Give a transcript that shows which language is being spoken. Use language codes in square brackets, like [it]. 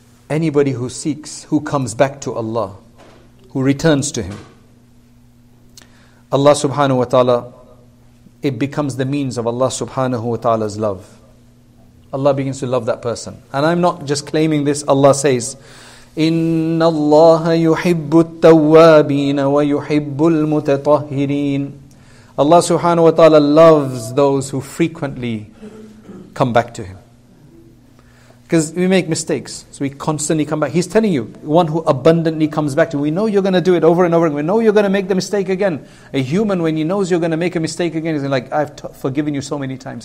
[en] Anybody who seeks, who comes back to Allah, who returns to Him, Allah subhanahu wa ta'ala, it becomes the means of Allah subhanahu wa ta'ala's love. Allah begins to love that person. And I'm not just claiming this. Allah says, [ar] إِنَّ اللَّهَ يُحِبُّ التَّوَّابِينَ وَيُحِبُّ الْمُتَطَهِّرِينَ. [en] Allah subhanahu wa ta'ala loves those who frequently come back to Him. Because we make mistakes, so we constantly come back. He's telling you, one who abundantly comes back to you, we know you're going to do it over and over again. We know you're going to make the mistake again. A human, when he knows you're going to make a mistake again, he's like, I've forgiven you so many times.